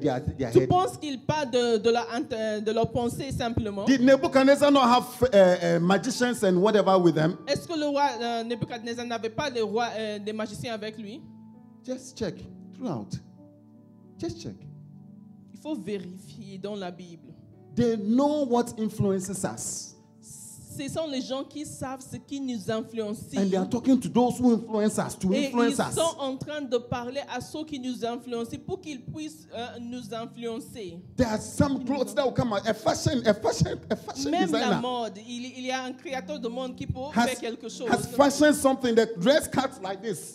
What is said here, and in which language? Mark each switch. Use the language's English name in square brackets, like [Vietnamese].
[French] head? Tu penses qu'ils parlent de leur pensée simplement? [English] Did Nebuchadnezzar not have magicians and whatever with them? [French] Est-ce que le roi Nebuchadnezzar n'avait pas des magiciens avec lui? [English] Just check throughout. Just check. [French] Il faut vérifier dans la Bible. [English] They know what influences us. [French] Ce sont les gens qui savent ce qui nous influence. [English] And they are talking to those who influence us to [French] Et [English] influence [French] ils [English] us. [French] Ils sont en train de parler à ceux qui nous influencent pour qu'ils puissent nous influencer. [English] There are some clothes that will come out. A fashion [French] Même [English] designer. [French] Même la mode. Il y a un créateur de monde qui peut faire quelque chose. [English] Has fashioned something that dress cuts like this.